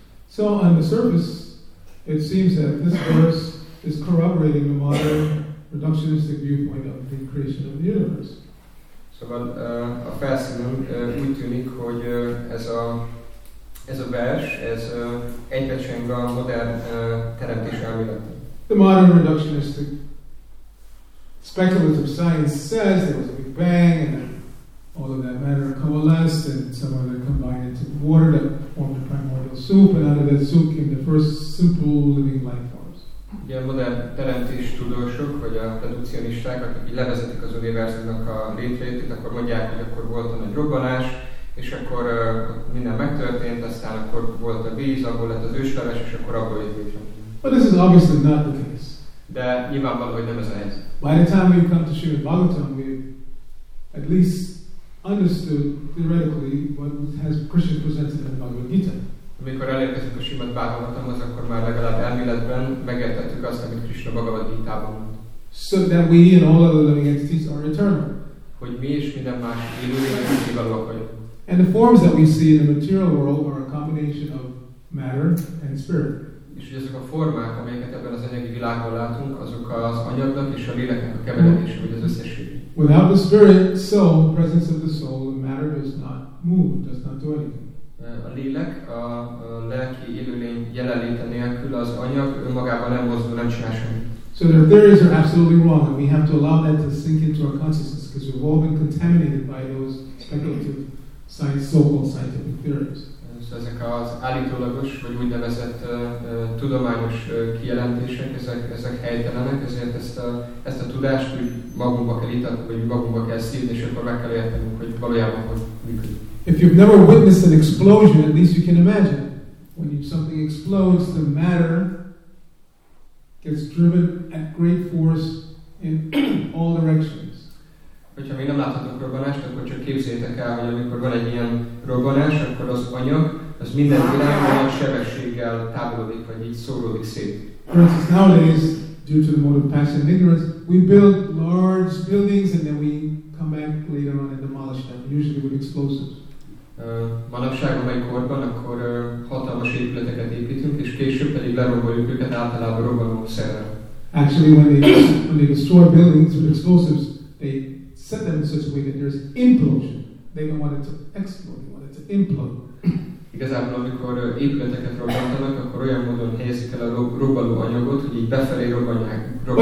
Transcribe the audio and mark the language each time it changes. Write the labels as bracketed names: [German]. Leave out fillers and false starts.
[English] So on the surface, it seems that this verse is corroborating the modern reductionistic viewpoint of the creation of the universe. [Hungarian] Szóval a felszínen úgy tűnik, hogy ez a vers, ez egybecseng a modern teremtés elmélete. [English] The modern reductionistic speculative science says there was a big bang and all of that matter coalesced and some of it combined into water that formed the primordial soup, and out of that soup came the first simple living life. [Hungarian] Ugye a modern teremtés tudósok, vagy a reducionisták, akik így levezetik az univerzumnak a létrejöttét, akkor mondják, hogy akkor volt a nagy robbanás, és akkor minden megtörtént, aztán akkor volt a víz, abból lett az ősleves, és akkor abból jött létre. [English] But this is obviously not the case. [Hungarian] De nyilvánvaló, hogy nem ez a helyzet. [English] By the time we come to Srimad Bhagavatam, we at least understood theoretically what has Krishna presented in the Bhagavad Gita. [Hungarian] Amikor elérkezünk a Srimad Bhagavatamhoz, akkor már legalább elméletben megértettük azt, amit Krishna Bhagavad Gita-ban mond. [English] So that we and all other living entities are eternal. [Hungarian] Hogy mi és minden más élőlények kiválóak vagyunk. [English] And the forms that we see in the material world are a combination of matter and spirit. [Hungarian] És hogy ezek a formák, amelyeket ebben az anyagi világban látunk, azok az anyagnak és a léleknek a keveredése, vagy az összesség. [English] Without the spirit, soul, presence of the soul, the matter does not move, does not do anything. [Hungarian] A lélek, a lelki élőlény jelenléte nélkül az anyag önmagában nem mozdul, nem csinál semmit. [English] So their theories are absolutely wrong, and we have to allow that to sink into our consciousness, because we've all been contaminated by those speculative science, so-called scientific theories. [Hungarian] So ezek az állítólagos, vagy úgynevezett tudományos kijelentések, ezek helytelenek, ezért ezt a tudást úgy magunkba kell ítatni, vagy magunkba kell szívni, és akkor meg kell értenünk, hogy valójában hogy működik. [English] If you've never witnessed an explosion, at least you can imagine. When something explodes, the matter gets driven at great force in all directions. [Hungarian] Hogyha még nem láthatunk robbanást, akkor csak képzeljétek el, hogy amikor van egy ilyen robbanás, akkor az anyag, az minden irányban nagy sebességgel távolodik, vagy így szóródik szét. [English] For instance, nowadays, due to the mode of passion and ignorance, we build large buildings and then we come back later on and demolish them, usually with explosives. [Hungarian] Manapság, amely korban, akkor hatalmas épületeket építünk, és később pedig leromboljuk őket általában robbanó szerrel. [English] actually, when they destroy buildings with explosives, they set them in such a way that there's implosion. They don't want it to explode, they want it to implode. [Hungarian] Igazából, amikor épületeket robbantanak, akkor olyan módon helyezik el a robbanó anyagot, hogy így befelé robbanják.